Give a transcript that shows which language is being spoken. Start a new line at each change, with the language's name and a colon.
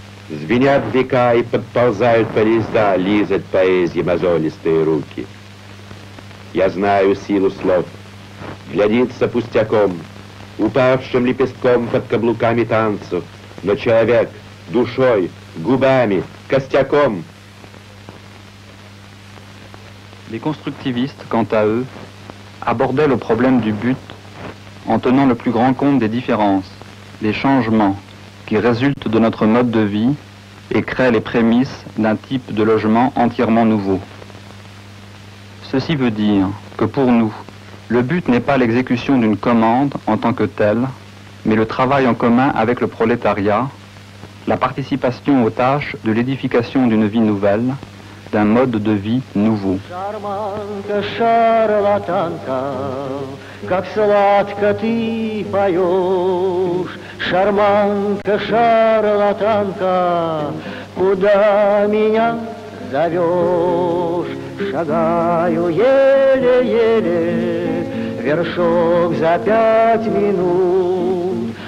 Russian: Звенят века и подползают поезда, лизят поэзии мозолистые руки. Я знаю силу слов, глядится пустяком, упавшим лепестком под каблуками танцу. Но человек душой, губами, костяком.
French: Les constructivistes, quant à eux, abordaient le problème du but en tenant le plus grand compte des différences, des changements qui résultent de notre mode de vie et créent les prémices d'un type de logement entièrement nouveau. Ceci veut dire que pour nous, le but n'est pas l'exécution d'une commande en tant que telle, mais le travail en commun avec le prolétariat, la participation aux tâches de l'édification d'une vie nouvelle, d'un mode de vie nouveau.
Russian: Шарманка, шарлатанка, как сладко ты поешь. Шарманка, шарлатанка, куда меня зовешь? Шагаю еле-еле, вершок за пять минут.